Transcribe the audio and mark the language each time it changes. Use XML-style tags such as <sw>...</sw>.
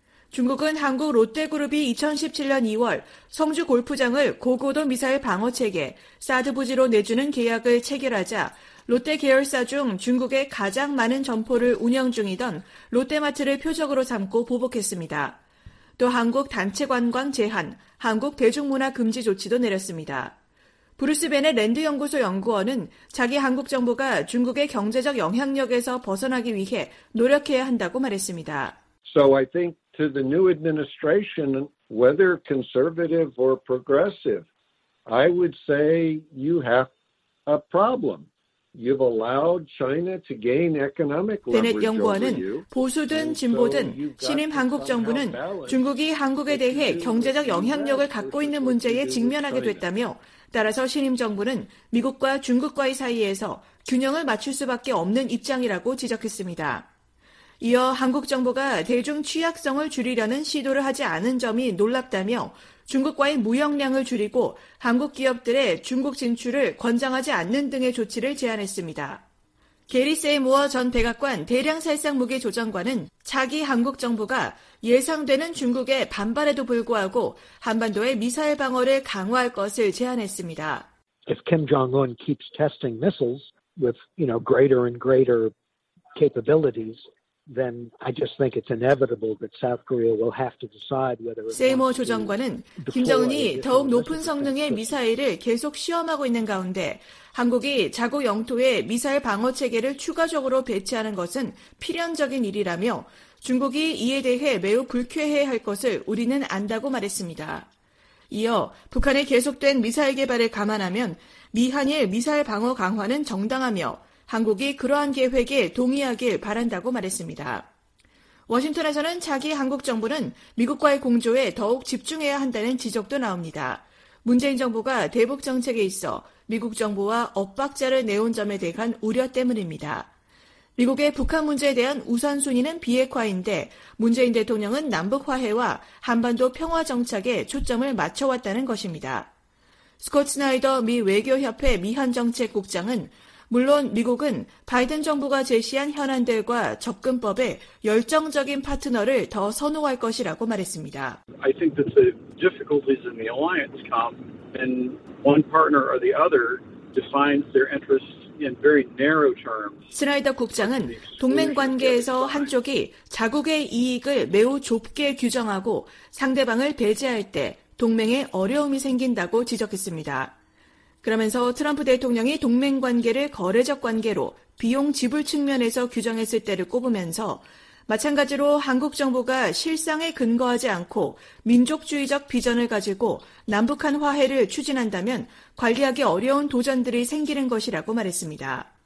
<ko>중국은 한국 롯데그룹이 2017년 2월 성주 골프장을 고고도 미사일 방어체계, 사드 부지로 내주는 계약을 체결하자 롯데 계열사 중 중국의 가장 많은 점포를 운영 중이던 롯데마트를 표적으로 삼고 보복했습니다. 또 한국 단체 관광 제한, 한국 대중문화 금지 조치도 내렸습니다. 브루스벤의 랜드연구소 연구원은 자기 한국 정부가 중국의 경제적 영향력에서 벗어나기 위해 노력해야 한다고 말했습니다.</ko> <en>So I think to the new administration, whether conservative or progressive, I would say you have a problem. You've allowed China to gain economic leverage.</en> <ko>베넷 연구원은 보수든 진보든 신임 한국 정부는 중국이 한국에 대해 경제적 영향력을 갖고 있는 문제에 직면하게 됐다며 따라서 신임 정부는 미국과 중국과의 사이에서 균형을 맞출 수밖에 없는 입장이라고 지적했습니다. 이어 한국 정부가 대중 취약성을 줄이려는 시도를 하지 않은 점이 놀랍다며 중국과의 무역량을 줄이고 한국 기업들의 중국 진출을 권장하지 않는 등의 조치를 제안했습니다. 게리 세이모어 전 백악관 대량살상무기 조정관은 차기 한국 정부가 예상되는 중국의 반발에도 불구하고 한반도의 미사일 방어를 강화할 것을 제안했습니다.</ko> <en>If Kim Jong-un keeps testing missiles with, you know, greater and greater capabilities, then I just think it's inevitable that South Korea will have to decide whether</en> <ko>세이모 조정관은 김정은이 더욱 높은 성능의 미사일을 계속 시험하고 있는 가운데 한국이 자국 영토에 미사일 방어 체계를 추가적으로 배치하는 것은 필연적인 일이라며 중국이 이에 대해 매우 불쾌해야 할 것을 우리는 안다고 말했습니다. 이어 북한의 계속된 미사일 개발을 감안하면 미한일 미사일 방어 강화는 정당하며 한국이 그러한 계획에 동의하길 바란다고 말했습니다. 워싱턴에서는 차기 한국 정부는 미국과의 공조에 더욱 집중해야 한다는 지적도 나옵니다. 문재인 정부가 대북 정책에 있어 미국 정부와 엇박자를 내온 점에 대한 우려 때문입니다. 미국의 북한 문제에 대한 우선순위는 비핵화인데 문재인 대통령은 남북 화해와 한반도 평화 정착에 초점을 맞춰왔다는 것입니다. 스콧 스나이더 미 외교협회 미한정책국장은 물론 미국은 바이든 정부가 제시한 현안들과 접근법에 열정적인 파트너를 더 선호할 것이라고 말했습니다.</ko> <en>I think that the difficulties in the alliance come when one partner or the other defines their interests in very narrow terms.</en> <ko>스나이더 국장은 동맹 관계에서 한쪽이 자국의 이익을 매우 좁게 규정하고 상대방을 배제할 때 동맹에 어려움이 생긴다고 지적했습니다. 그러면서 트럼프 대통령이 동맹 관계를 거래적 관계로 비용 지불 측면에서 규정했을 때를 꼽으면서 마찬가지로 한국 정부가 실상에 근거하지 않고 민족주의적 비전을 가지고 남북한 화해를 추진한다면 관리하기 어려운 도전들이 생기는 것이라고 말했습니다.</ko>